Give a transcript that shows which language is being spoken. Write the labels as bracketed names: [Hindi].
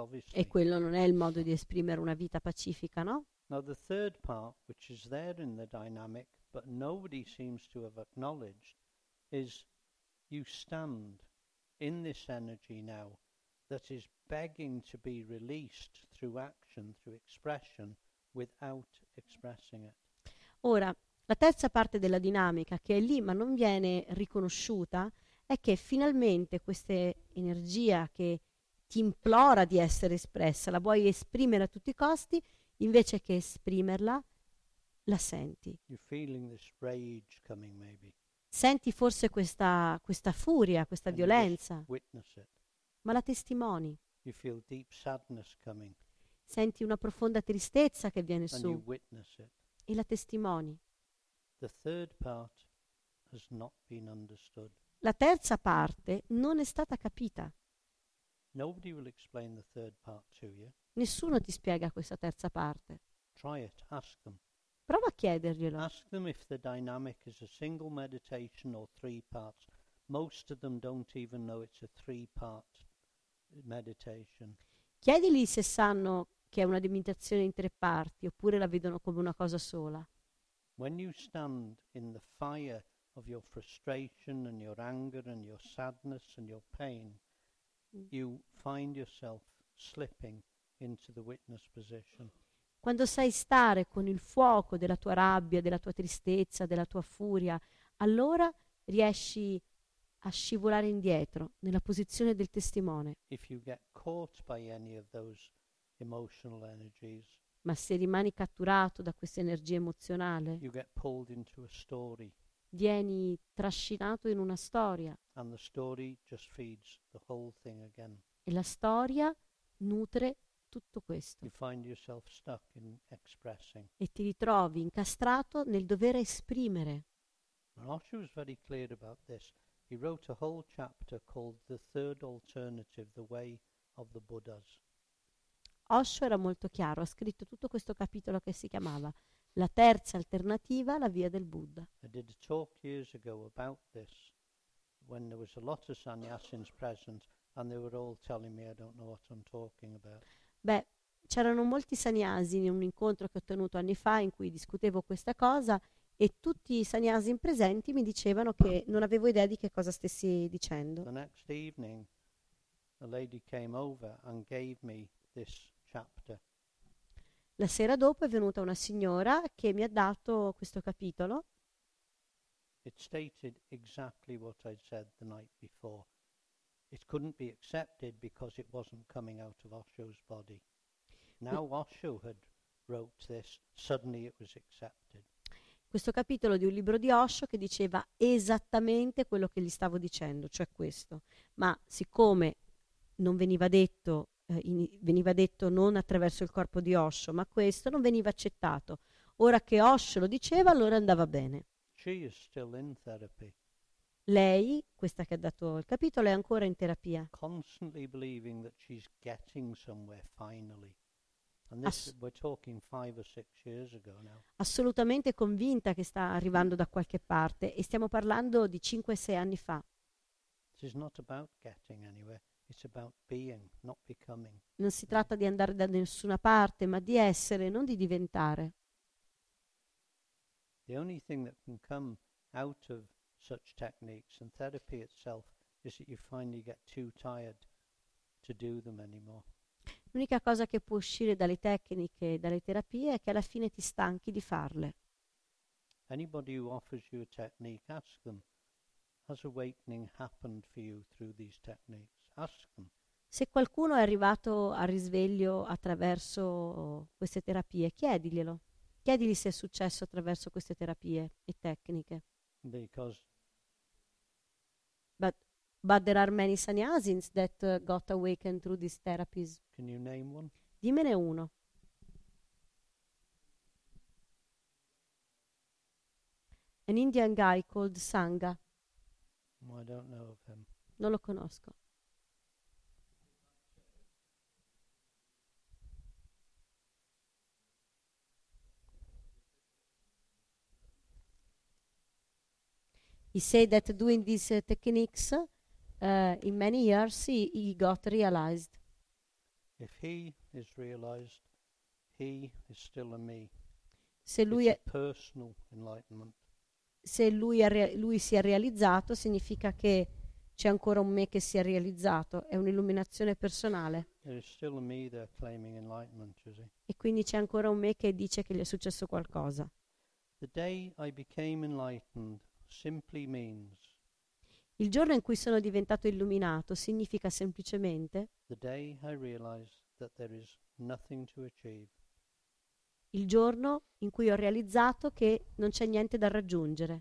[Italian] E quello non è il modo di esprimere una vita pacifica, no? [English] Now the third part, which is there in the dynamic, but nobody seems to have acknowledged, is you stand in this energy now that is begging to be released through action, through expression, without expressing it. [Italian] Ora, la terza parte della dinamica, che è lì ma non viene riconosciuta, è che finalmente questa energia che ti implora di essere espressa, la vuoi esprimere a tutti i costi, invece che esprimerla, la senti. [English] You're feeling this rage coming, maybe. [Italian] Senti forse questa furia, questa [English] and [Italian] violenza, ma la testimoni. [English] You feel deep sadness coming. [Italian] Senti una profonda tristezza che viene [English] and [Italian] su [English] you witness it. [Italian] E la testimoni. [English] The third part has not been understood. [Italian] La terza parte non è stata capita. [English] Nobody will explain the third part to you. [Italian] Nessuno ti spiega questa terza parte. [English] Try it, ask them. [Italian] Prova a chiederglielo. [English] Ask them if the dynamic is a single meditation or three parts. Most of them don't even know it's a three-part meditation. [Italian] Chiedili se sanno che è una meditazione in tre parti oppure la vedono come una cosa sola. [English] When you stand in the fire of your frustration and your anger and your sadness and your pain, you find yourself slipping into the witness position. [Italian] Quando sai stare con il fuoco della tua rabbia, della tua tristezza, della tua furia, allora riesci a scivolare indietro nella posizione del testimone. [English] If you get caught by any of those emotional energies, [Italian] ma se rimani catturato da questa energia emozionale, [English] you get pulled into a story. [Italian] Vieni trascinato in una storia. [English] And the story just feeds the whole thing again. [Italian] E la storia nutre tutto questo. [English] You find yourself stuck in expressing. [Italian] E ti ritrovi incastrato nel dover esprimere. [English] Maharshi was very clear about this. He wrote a whole chapter called The Third Alternative, The Way of the Buddhas. [Italian] Osho era molto chiaro, ha scritto tutto questo capitolo che si chiamava La terza alternativa, la via del Buddha. [English] I did a talk years ago about this when there was a lot of sannyasins present and they were all telling me I don't know what I'm talking about. [Italian] Beh, c'erano molti sannyasin in un incontro che ho tenuto anni fa in cui discutevo questa cosa e tutti i sannyasin presenti mi dicevano che non avevo idea di che cosa stessi dicendo. [English] The next evening a lady came over and gave me this chapter. [Italian] La sera dopo è venuta una signora che mi ha dato questo capitolo. [English] It stated exactly what I said the night before. It couldn't be accepted because it wasn't coming out of Osho's body. Now Osho had wrote this, suddenly it was accepted. [Italian] Questo capitolo di un libro di Osho che diceva esattamente quello che gli stavo dicendo, cioè questo. Ma siccome non veniva detto, veniva detto non attraverso il corpo di Osho, ma questo non veniva accettato. Ora che Osho lo diceva, allora andava bene. [English] She is still in therapy. [Italian] Lei, questa che ha dato il capitolo, è ancora in terapia. [English] Constantly believing that she's getting somewhere finally. And this we're talking 5 or 6 years ago now. [Italian] Assolutamente convinta che sta arrivando da qualche parte e stiamo parlando di 5-6 anni fa. [English] She's not about getting anywhere. It's about being, not becoming. [Italian] Non si tratta di andare da nessuna parte, ma di essere, non di diventare. [English] The only thing that can come out of such techniques and therapy itself is that you finally get too tired to do them anymore. [Italian] L'unica cosa che può uscire dalle tecniche, dalle terapie, è che alla fine ti stanchi di farle. [English] Anybody who offers you a technique, ask them, has awakening happened for you through these techniques? [Italian] Se qualcuno è arrivato al risveglio attraverso queste terapie, chiediglielo. Chiedigli se è successo attraverso queste terapie e tecniche. [English] Because but there are many sannyasins that got awakened through these therapies. Can you name one? [Italian] Dimmene uno. [English] An Indian guy called Sangha. I don't know of him. [Italian] Non lo conosco. [English] He said that doing these techniques in many years he got realized. If he is realized, he is still a me. [Italian] Se lui [English] it's a personal enlightenment. [Italian] Se lui, lui si è realizzato, significa che c'è ancora un me che si è realizzato, è un'illuminazione personale. [English] There is still a me that claiming enlightenment, you see. [Italian] E quindi c'è ancora un me che dice che gli è successo qualcosa. [English] The day I became enlightened simply means [Italian] il giorno in cui sono diventato illuminato significa semplicemente [English] the day I realized that there is nothing to achieve. [Italian] Il giorno in cui ho realizzato che non c'è niente da raggiungere,